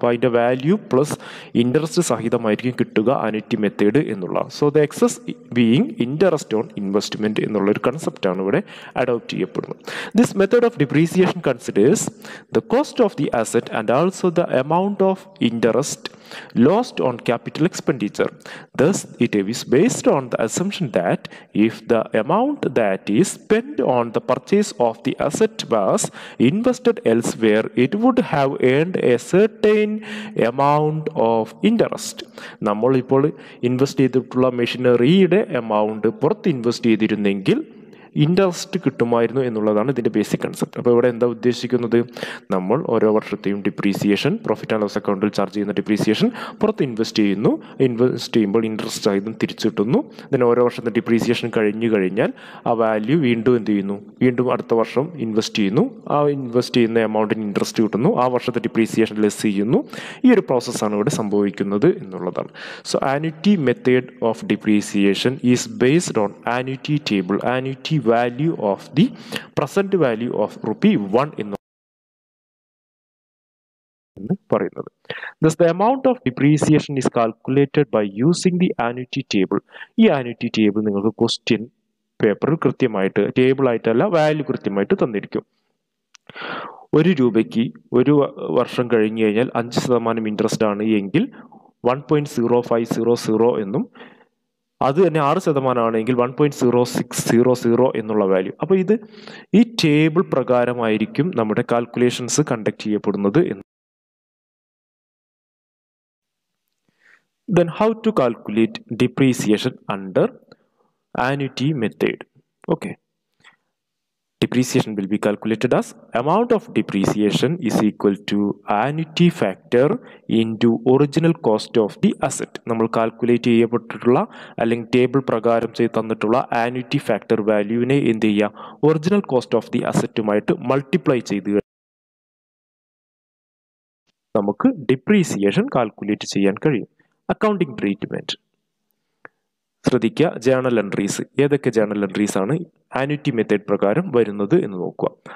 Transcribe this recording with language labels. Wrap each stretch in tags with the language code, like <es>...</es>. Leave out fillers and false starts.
<ml>അപ്പോൾ അതിൻ്റെ value plus interest സഹിതമായിരിക്കും കിട്ടുക ആനുറ്റി മെത്തേഡ് എന്നുള്ള.</ml> <en>so the excess being interest on investment</en> <ml>എന്നുള്ളൊരു കൺസെപ്റ്റാണ് ഇവിടെ അഡോപ്റ്റ് ചെയ്യപ്പെടുന്നത്.</ml> <en>This method of depreciation considers the cost of the asset and also the amount of interest lost on capital expenditure. Thus, it is based on the assumption that if the amount that is spent on the purchase of the asset was invested elsewhere, it would have earned a certain amount of interest.</en> <ml>നമ്മൾ ഇപ്പോൾ invest ചെയ്തിട്ടുള്ള മെഷീനറിയുടെ amount പുറത്ത് invest ചെയ്തിരുന്നെങ്കിൽ interest കിട്ടുമായിരുന്നു എന്നുള്ളതാണ് ഇതിൻ്റെ basic concept. അപ്പോൾ ഇവിടെ എന്താ ഉദ്ദേശിക്കുന്നത്? നമ്മൾ ഓരോ വർഷത്തെയും ഡിപ്രീസിയേഷൻ പ്രോഫിറ്റ് ആൻഡ് ലോസ് അക്കൗണ്ടിൽ ചാർജ് ചെയ്യുന്ന ഡിപ്രീസിയേഷൻ പുറത്ത് ഇൻവെസ്റ്റ് ചെയ്യുന്നു, ഇൻവെസ്റ്റ് ചെയ്യുമ്പോൾ ഇൻട്രസ്റ്റ് ആയതും തിരിച്ചു കിട്ടുന്നു, ദെൻ ഓരോ വർഷത്തെ ഡിപ്രീസിയേഷൻ കഴിഞ്ഞു കഴിഞ്ഞാൽ ആ വാല്യൂ വീണ്ടും എന്ത് ചെയ്യുന്നു? വീണ്ടും അടുത്ത വർഷം ഇൻവെസ്റ്റ് ചെയ്യുന്നു, ആ ഇൻവെസ്റ്റ് ചെയ്യുന്ന എമൗണ്ടിന് ഇൻട്രസ്റ്റ് കിട്ടുന്നു, ആ വർഷത്തെ ഡിപ്രീസിയേഷൻ ലെസ് ചെയ്യുന്നു. ഈ ഒരു പ്രോസസ്സാണ് ഇവിടെ സംഭവിക്കുന്നത് എന്നുള്ളതാണ്.</ml> <en>So annuity method of depreciation is based on annuity table. Annuity value of the present value of ₹1</en> <ml>എന്ന് പറയുന്നത്.</ml> <en>Thus, the amount of depreciation is calculated by using the annuity table.</en> <ml>ഈ annuity table നിങ്ങൾക്ക് question പേപ്പറിൽ കൃത്യമായിട്ട്, table ആയിട്ടല്ല, value കൃത്യമായിട്ട് തന്നിരിക്കും. ഒരു രൂപയ്ക്ക് ഒരു വർഷം കഴിഞ്ഞു കഴിഞ്ഞാൽ 5% ഇൻട്രസ്റ്റ് ആണ് എങ്കിൽ 1.0500 എന്നും അത് തന്നെ 6% ആണെങ്കിൽ 1.0600 എന്നുള്ള വാല്യൂ. അപ്പോൾ ഇത് ഈ ടേബിൾ പ്രകാരമായിരിക്കും നമ്മുടെ കാൽക്കുലേഷൻസ് കണ്ടക്ട് ചെയ്യപ്പെടുന്നത് എന്ന്.</ml> <en>Then how to calculate depreciation under annuity method. Okay. Depreciation will be calculated as amount of depreciation is equal to annuity factor into original cost of the asset.</en> <ml>നമ്മൾ calculate ചെയ്യപ്പെട്ടിട്ടുള്ള അല്ലെങ്കിൽ table പ്രകാരം ചെയ്ത് തന്നിട്ടുള്ള annuity factor വാല്യൂവിനെ എന്ത് ചെയ്യുക, original cost of the അസറ്റുമായിട്ട് multiply ചെയ്ത് നമുക്ക് depreciation calculate ചെയ്യാൻ കഴിയും. അക്കൗണ്ടിംഗ് ട്രീറ്റ്മെൻറ്റ്, ശ്രദ്ധിക്കുക, ജേണൽ എൻട്രീസ് ഏതൊക്കെ ജേണൽ എൻട്രീസ് ആണ് ആനുറ്റി മെത്തേഡ് പ്രകാരം വരുന്നത് എന്ന് നോക്കുക.</ml>